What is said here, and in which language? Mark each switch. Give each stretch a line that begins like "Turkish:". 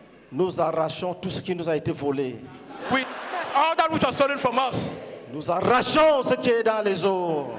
French: Nous arrachons tout ce qui nous a été volé.
English: We all that which was stolen from us.
French: Nous arrachons ce qui est dans les eaux.